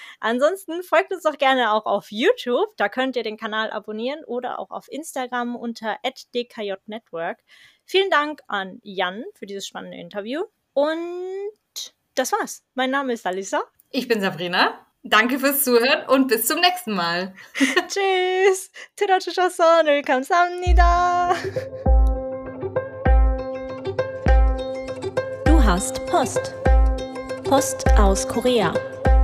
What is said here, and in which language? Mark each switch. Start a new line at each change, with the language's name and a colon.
German: Ansonsten folgt uns doch gerne auch auf YouTube. Da könnt ihr den Kanal abonnieren oder auch auf Instagram unter @dkjnetwork. Vielen Dank an Jan für dieses spannende Interview. Und das war's. Mein Name ist Alisa. Ich bin Sabrina. Danke fürs Zuhören und bis zum nächsten Mal. Tschüss.
Korean: 들어주셔서 늘 감사합니다.
German: Du hast Post. Post aus Korea.